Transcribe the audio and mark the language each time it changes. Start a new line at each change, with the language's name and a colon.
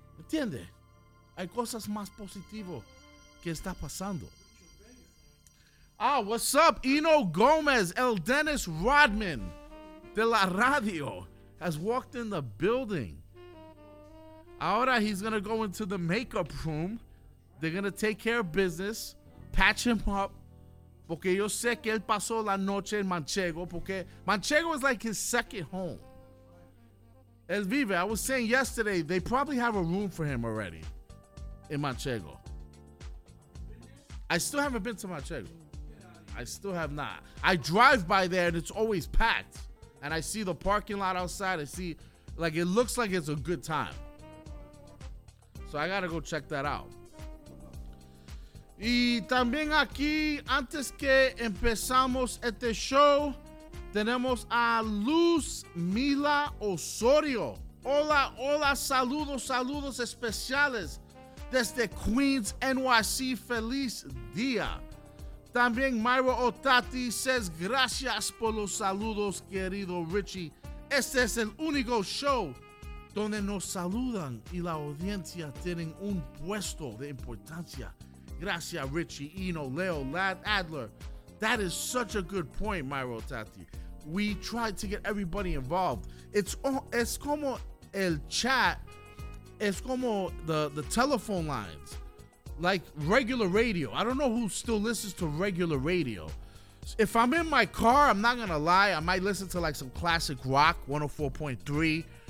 Spanish: ¿Entiende? Hay cosas más positivo que está pasando.
English: Ah, what's up? Hino Gomez, el Dennis Rodman
Spanish: de la radio
English: has walked in the building.
Spanish: Ahora
English: he's going to go into the makeup room. They're going to take care of business, patch him up.
Spanish: Porque yo sé que él pasó la noche en Manchego. Porque
English: Manchego is like his second home.
Spanish: El vive.
English: I was saying yesterday, they probably have a room for him already in Manchego. I still haven't been to Manchego. I still have not. I drive by there and it's always packed. And I see the parking lot outside. I see, like, it looks like it's a good time. So I gotta go check that out.
Spanish: Y también aquí, antes que empezamos este show, tenemos a Luz Mila Osorio. Hola, hola, saludos, saludos especiales desde Queens, NYC. Feliz día. También Myra Otati
English: says,
Spanish: gracias por los saludos, querido Richie. Este es el único show donde nos saludan y la audiencia tienen un puesto de importancia. Gracias, Richie, Hino, Leo, Lad, Adler.
English: That is such a good point, Myra Otati. We tried to get everybody involved.
Spanish: Es como el chat, es como
English: the telephone lines, like regular radio. I don't know who still listens to regular radio. If I'm in my car, I'm not going to lie, I might listen to like some classic rock, 104.3.